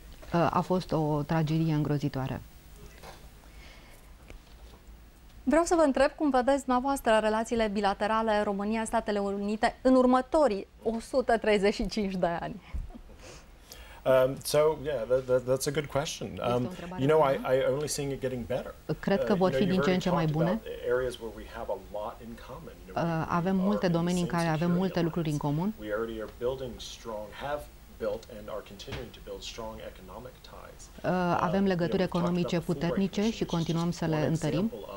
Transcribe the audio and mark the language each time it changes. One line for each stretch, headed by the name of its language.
Romanian: A fost o tragedie îngrozitoare. Vreau să vă întreb cum vedeți dumneavoastră relațiile bilaterale România-Statele Unite în următorii 135 de ani.
English: So yeah, that's a good question. You know, I only seeing it getting better.
Romanian: Cred că vor fi din ce în ce mai bune.
English: Areas where we have a lot in common.
Romanian: Avem multe domenii în care avem multe lucruri în comun.
English: We already are building strong, have built and are continuing to build strong economic ties.
Romanian: Avem legături economice puternice și continuăm să le întărim.